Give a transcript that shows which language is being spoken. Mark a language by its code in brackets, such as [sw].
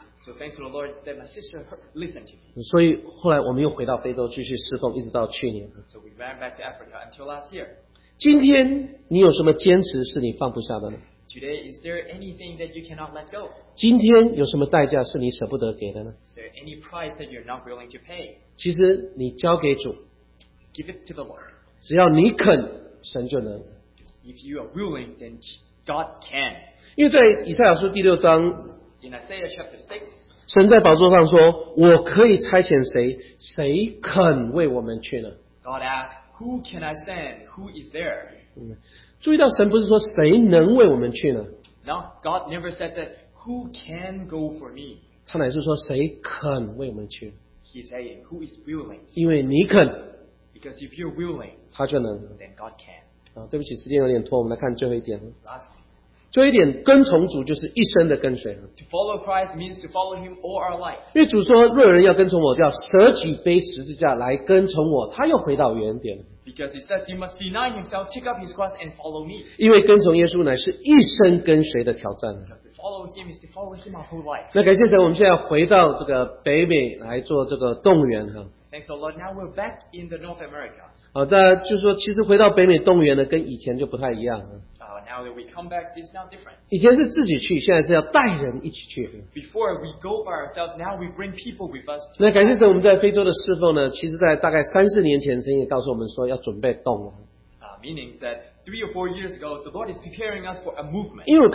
[en] So thanks to the Lord that my sister listened to me. [zh] 所以后来我们又回到非洲继续侍奉，一直到去年。 [en] So we ran back to Africa until last year. [zh] 今天你有什么坚持是你放不下的呢 [en] Today, is there anything that you cannot let go? [zh] 今天有什么代价是你舍不得给的呢? [en] Is there any price that you're not willing to pay? [zh] 其实你交给主, [en] give it to the Lord. [zh] 只要你肯, [en] if you are willing, then God can. [zh] 因为在以赛亚书第六章, [en] in Isaiah chapter 6, [zh] 神在宝座上说, 我可以差遣谁, 谁肯为我们去呢? [en] God asked, who can I send? Who is there? [zh] 注意到神不是说谁能为我们去呢? [en] No, God never said that, who can go for me? [zh] 他乃是说谁肯为我们去? [en] He's saying, who is willing? [zh] 因为你肯, [en] because if you're willing, [zh] 他就能, [en] then God can. [zh] 啊, 对不起, 时间有点拖, 我们来看最后一点。 [en] Last. [zh] 最后一点,跟从主就是一生的跟随。 [en] To follow Christ means to follow Him all our life. [zh] 因为主说,若有人要跟从我, 叫舍己背十字架来跟从我, 他又回到原点。 [en] Because he says he must deny himself, take up his cross and follow me. [zh] 因为跟从耶稣乃是一生跟随的挑战。 [en] To follow him is to follow him our whole life. [zh] 那感谢神,我们现在回到这个北美来做这个动员。 [en] Thanks a lot, now we're back in the North America. [zh] 好的,就是说,其实回到北美动员呢, 跟以前就不太一样。 [en] Now that we come back, it's now different. [zh] 以前是自己去, 现在是要带人一起去。 [en] Before we go by ourselves, now we bring people with us. [zh] 那感谢神我们在非洲的侍奉呢, 其实在大概三四年前, 神也告诉我们说要准备动了。 [en] Meaning that 3 or 4 years ago, the Lord is preparing us for a movement.